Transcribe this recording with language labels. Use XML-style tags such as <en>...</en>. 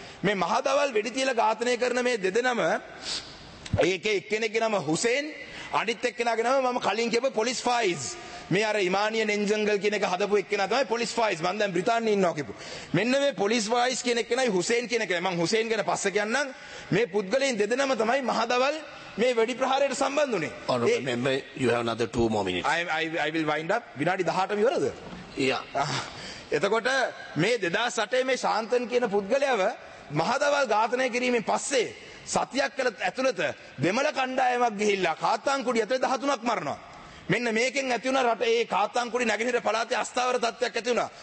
<si>මේ මහදවල් වෙඩි තියලා ඝාතනය කරන මේ දෙදෙනම ඒකේ එක්කෙනෙක්ගේ නම හුසෙන්, අනිත් එක්කෙනාගේ නම මම කලින් කියපු පොලිස් ෆයිස්. මේ අර ඉමානියන් එන්ජංගල් කියන එක හදපු එක්කෙනා තමයි පොලිස් ෆයිස්. මම දැන් බ්‍රිතාන්‍යෙ ඉන්නවා කිපු. මෙන්න මේ පොලිස් ෆයිස් කියන එක්කෙනායි හුසෙන් කියන එක. මම හුසෙන් ගැන පස්සේ කියන්නම්. මේ පුද්ගලයන් දෙදෙනම තමයි මහදවල් මේ වෙඩි ප්‍රහාරයට සම්බන්ධ වුනේ.</si> <en>Remember you have another 2 more minutes. I will wind up.</en> <si>විනාඩි 18 ඉවරද?</si> <en>Yeah.</en> <si>එතකොට මේ 2008 මේ ශාන්තන් කියන පුද්ගලයාව මහදවල් ඝාතනය කිරීමෙන් පස්සේ සතියක් කළ ඇතුළත දෙමළ කණ්ඩායමක් ගිහිල්ලා කාතංකුඩි ඇතුළේ 13ක් මරනවා. මෙන්න මේකෙන් ඇති වුණා රට ඒ කාතංකුඩි නැගෙනහිර පළාතේ අස්ථාවර තත්ත්වයක් ඇති වුණා.</si>